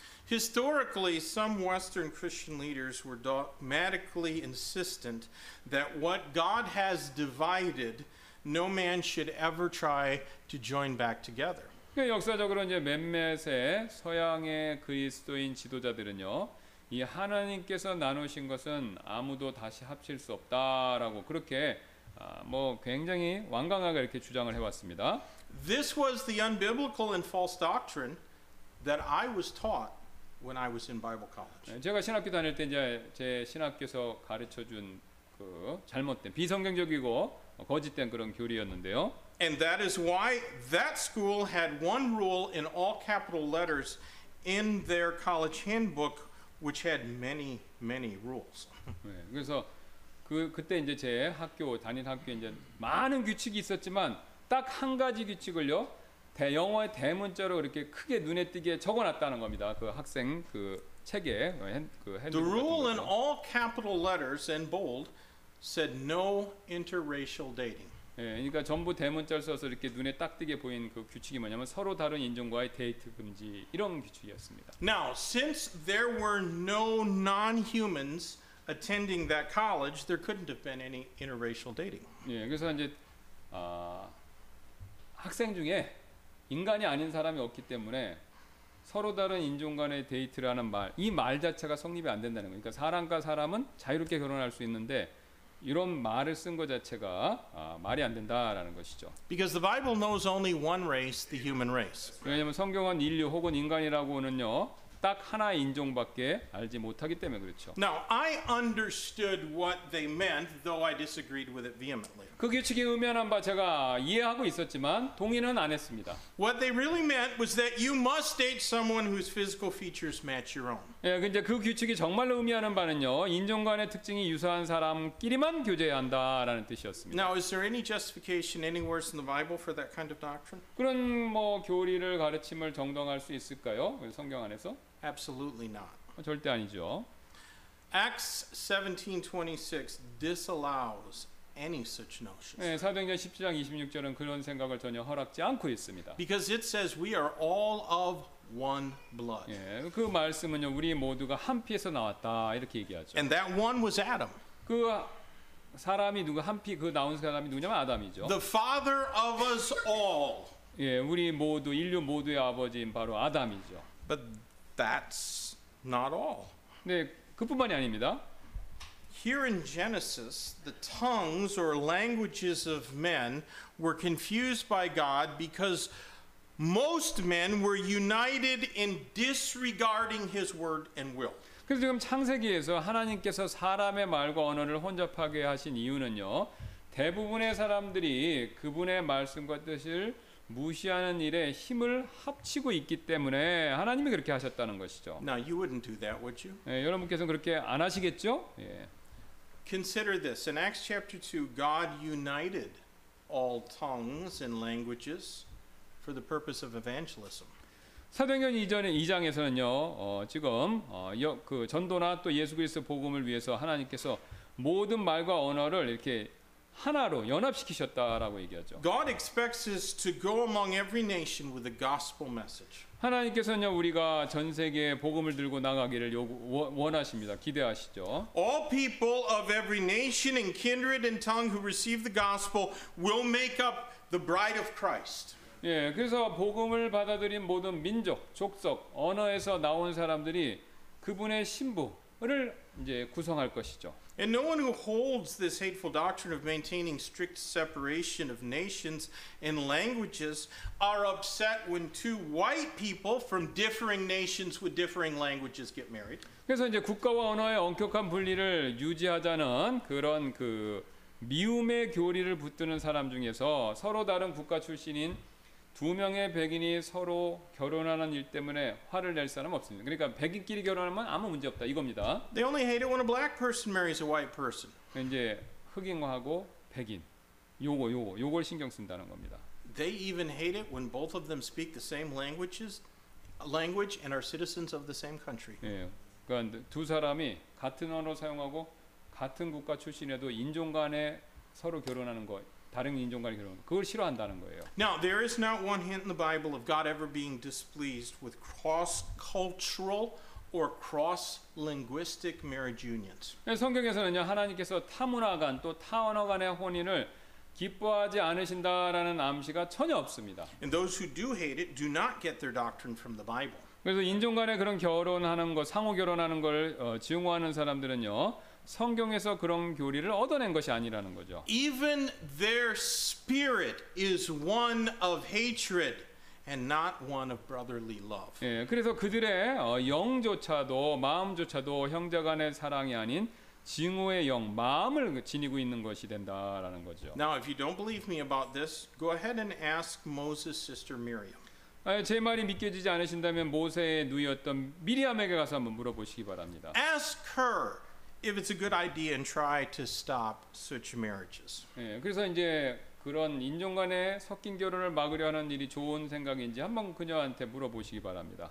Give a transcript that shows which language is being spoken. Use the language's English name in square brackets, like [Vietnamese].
[English] Historically, some Western Christian leaders were dogmatically insistent that what God has divided, no man should ever try to join back together. [Korean] 역사적으로 이제 몇몇의 서양의 그리스도인 지도자들은요, 이 하나님께서 나누신 것은 아무도 다시 합칠 수 없다라고 그렇게. 뭐 굉장히 완강하게 이렇게 주장을 해왔습니다. [English] This was the unbiblical and false doctrine that I was taught when I was in Bible college. [Korean] 제가 신학교 다닐 때 이제 제 신학교에서 가르쳐 준 그 잘못된 비성경적이고 거짓된 그런 교리였는데요. [English] And that is why that school had one rule in all capital letters in their college handbook, which had many, many rules. [Korean] 네, 그래서 그때 이제 제 학교 다닌 학교 이제 많은 규칙이 있었지만 딱 한 가지 규칙을요 영어의 대문자로 이렇게 크게 눈에 띄게 적어놨다는 겁니다. 그 학생 그 책에 그 [English] The rule in all capital letters and bold said no interracial dating. [Korean] 예, 그러니까 전부 대문자를 써서 이렇게 눈에 딱 띄게 보인 그 규칙이 뭐냐면 서로 다른 인종과의 데이트 금지 이런 규칙이었습니다. [English] Now since there were no non-humans attending that college, there couldn't have been any interracial dating. [Korean] 예, 그래서 이제 학생 중에 인간이 아닌 사람이 없기 때문에 서로 다른 인종 간의 데이트라는 말, 이 말 자체가 성립이 안 된다는 거니까 사람과 사람은 자유롭게 결혼할 수 있는데 이런 말을 쓴 것 자체가 말이 안 된다라는 것이죠. [English] Because the Bible knows only one race, the human race. [Korean] 왜냐하면 성경은 인류 혹은 인간이라고는요. 딱 하나의 인종밖에 알지 못하기 때문에 그렇죠. [English] Now I understood what they meant, though I disagreed with it vehemently. [Korean] 그 규칙이 의미하는 바 제가 이해하고 있었지만 동의는 안 했습니다. [English] What they really meant was that you must date someone whose physical features match your own. [Korean] 예, 근데 그 규칙이 정말로 의미하는 바는요, 인종 간의 특징이 유사한 사람끼리만 교제해야 한다라는 뜻이었습니다. [English] Now is there any justification anywhere in the Bible for that kind of doctrine? [Korean] 그런 뭐 교리를 가르침을 정당할 수 있을까요? 성경 안에서? [English] Absolutely not. [Korean] 절대 아니죠. [English] Acts 17:26 disallows any such notion. [Korean] 네, 사도행전 17장 26절은 그런 생각을 전혀 허락지 않고 있습니다. [English] Because it says we are all of one blood. [Korean] 예, 네, 그 말씀은요, 우리 모두가 한 피에서 나왔다 이렇게 얘기하죠. [English] And that one was Adam. [Korean] 그 사람이 누구 한 피 그 나온 사람이 누구냐면 아담이죠. [English] The father of us all. [Korean] 예, 네, 우리 모두 인류 모두의 아버지인 바로 아담이죠. [English] But that's not all. [Korean] 네, 그뿐만이 아닙니다. [English] Here in Genesis, the tongues or languages of men were confused by God because most men were united in disregarding his word and will. [Korean] 그래서 지금 창세기에서 하나님께서 사람의 말과 언어를 혼잡하게 하신 이유는요. 대부분의 사람들이 그분의 말씀과 뜻을 무시하는 일에 힘을 합치고 있기 때문에 하나님이 그렇게 하셨다는 것이죠. [English] Now you wouldn't do that, would you? [Korean] 예, 여러분께서는 그렇게 안 하시겠죠? 예. [English] Consider this. In Acts chapter 2, God united all tongues and languages for the purpose of evangelism. [Korean] 사도행전 이전에 2장에서는요. 지금 그 전도나 또 예수 그리스도 복음을 위해서 하나님께서 모든 말과 언어를 이렇게 하나로 연합시키셨다라고 얘기하죠. [English] God expects us to go among every nation with a gospel message. [Korean] 하나님께서는요, 우리가 전 세계에 복음을 들고 나가기를 원하십니다. 기대하시죠. [English] All people of every nation and kindred and tongue who receive the gospel will make up the bride of Christ. [Korean] 예, 그래서 복음을 받아들인 모든 민족, 족속, 언어에서 나온 사람들이 그분의 신부를 이제 구성할 것이죠. [English] And no one who holds this hateful doctrine of maintaining strict separation of nations and languages are upset when two white people from differing nations with differing languages get married. [Korean] 그래서 이제 국가와 언어의 엄격한 분리를 유지하자는 그런 그 미움의 교리를 붙드는 사람 중에서 서로 다른 국가 출신인 두 명의 백인이 서로 결혼하는 일 때문에 화를 낼 사람 없습니다. 그러니까 백인끼리 결혼하면 아무 문제 없다 이겁니다. [English] They only hate it when a black person marries a white person. [Korean] 이제 흑인하고 백인 요걸 신경 쓴다는 겁니다. [English] They even hate it when both of them speak the same language and are citizens of the same country. [Korean] 예, 그러니까 두 사람이 같은 언어 사용하고 같은 국가 출신에도 인종 간에 서로 결혼하는 거. 다른 인종간의 결혼 그걸 싫어한다는 거예요. [English] Now there is not one hint in the Bible of God ever being displeased with cross-cultural or cross-linguistic marriage unions. [Korean] 성경에서는요 하나님께서 타문화간 또 타언어간의 혼인을 기뻐하지 않으신다라는 암시가 전혀 없습니다. [English] And those who do hate it do not get their doctrine from the Bible. [Korean] 그래서 인종간의 그런 결혼하는 거 상호 결혼하는 걸 증오하는 사람들은요. 성경에서 그런 교리를 얻어낸 것이 아니라는 거죠. [English] Even their spirit is one of hatred and not one of brotherly love. [Korean] 예, 그래서 그들의 영조차도 마음조차도 형제간의 사랑이 아닌 증오의 영, 마음을 지니고 있는 것이 된다라는 거죠. [English] Now if you don't believe me about this, go ahead and ask Moses' sister Miriam. [Korean] 제 말이 믿겨지지 않으신다면 모세의 누이였던 미리암에게 가서 한번 물어보시기 바랍니다. [English] Ask her if it's a good idea and try to stop such marriages. [Korean] 예, 그래서 이제 그런 인종 간의 섞인 결혼을 막으려는 일이 좋은 생각인지 한번 그녀한테 물어보시기 바랍니다.